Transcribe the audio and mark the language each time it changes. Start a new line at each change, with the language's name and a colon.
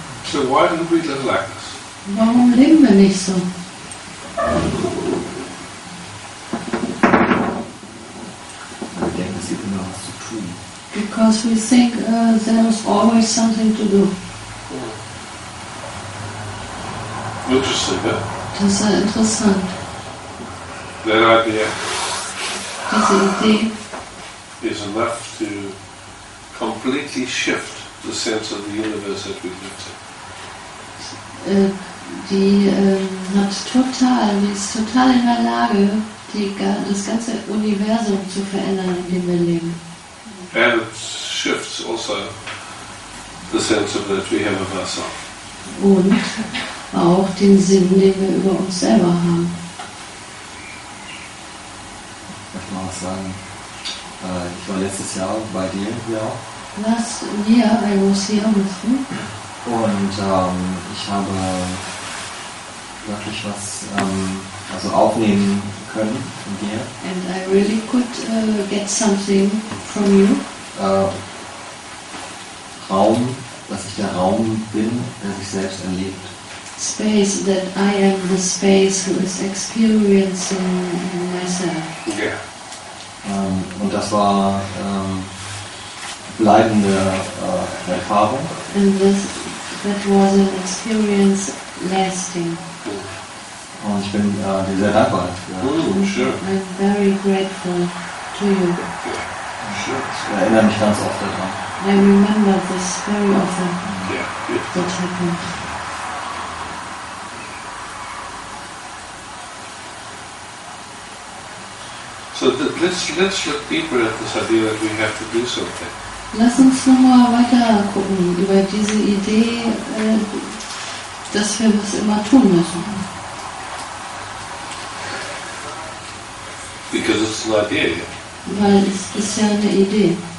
English: So why do we live like this?
German: Warum leben wir nicht so? Wir denken, es gibt immer was zu tun.
English: Because we think there is always something to do. Interesting, huh?
German: Das ist interessant.
English: That idea.
German: Diese Idee.
English: Is enough to completely shift the sense of the universe that we live in.
German: Die hat total, die ist total in der Lage, das ganze Universum zu verändern, in dem wir leben.
English: And it shifts also the sense of that we have of ourselves.
German: Und auch den Sinn, den wir über uns selber haben. Ich möchte mal was sagen. Ich war letztes Jahr bei dir hier auch. Was? Ja, bei uns hier auch. Und ich habe wirklich was also aufnehmen können von dir.
English: And I really could get something from you.
German: Raum, dass ich der Raum bin, der sich selbst erlebt.
English: Space, that I am the space who is experiencing myself. Yeah.
German: Und das war bleibende Erfahrung.
English: And that was an experience lasting.
German: Und ich bin dir sehr dankbar. Ja.
English: Mm, sure. I'm very grateful to you. Yeah. Sure.
German: Ich erinnere mich ganz oft daran.
English: I remember this very often. Yeah. That happened. So let's look deeper at this idea that we have to do something.
German: Lass uns nochmal weiter gucken über diese Idee, dass wir was immer tun müssen.
English: Because it's an idea.
German: Weil es ist ja eine Idee.